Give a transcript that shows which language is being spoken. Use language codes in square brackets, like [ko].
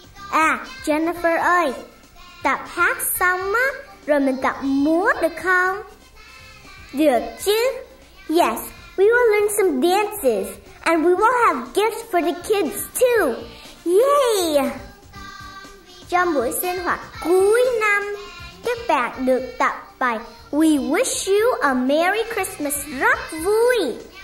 [vi] À, Jennifer ơi, tập hát xong á, rồi mình tập múa được không? Được chứ. [en] Yes, we will learn some dances, and we will have gifts for the kids too. Yay! [vi] Trong buổi sinh hoạt cuối năm, các bạn được tập bài We Wish You a Merry Christmas rất vui.